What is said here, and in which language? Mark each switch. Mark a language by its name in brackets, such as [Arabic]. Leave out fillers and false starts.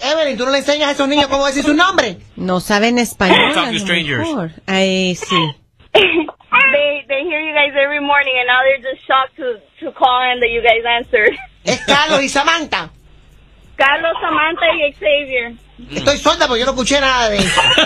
[Spanish] Evelyn, ¿tú no le enseñas a esos niños cómo decir su nombre? No saben español. [English] Talk to strangers. [Spanish] Ay, sí. [English] They hear you guys every morning and now they're just shocked to call and that you guys answer. [Spanish] Es Carlos y Samantha. Carlos, Samantha y Xavier. Estoy sorda porque yo no escuché nada de eso.